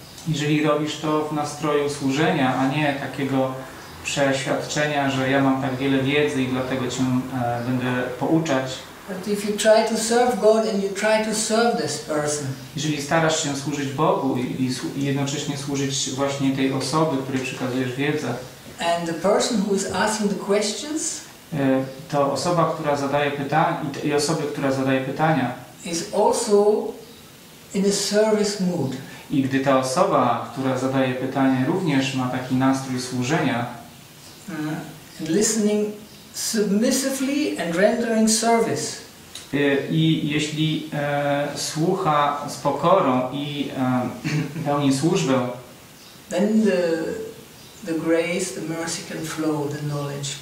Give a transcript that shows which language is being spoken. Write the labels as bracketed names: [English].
[Polish] Jeżeli robisz to w nastroju służenia, a nie takiego przeświadczenia, że ja mam tak wiele wiedzy i dlatego cię będę pouczać. [English] But if you try to serve God and you try to serve this person. [Polish] Jeżeli starasz się służyć Bogu i jednocześnie służyć właśnie tej osobie, której przekazujesz wiedzę. [English] And the person who is asking the questions. [Polish] To osoba, która zadaje pytania i osoby, która zadaje pytania. [English] Is also in a service mood. [Polish] I gdy ta osoba, która zadaje pytanie, również ma taki nastrój służenia, [English] and listening submissively and rendering service. [Polish] I jeśli słucha z pokorą i pełni służbę, [English] then the the grace, the mercy can flow, the knowledge.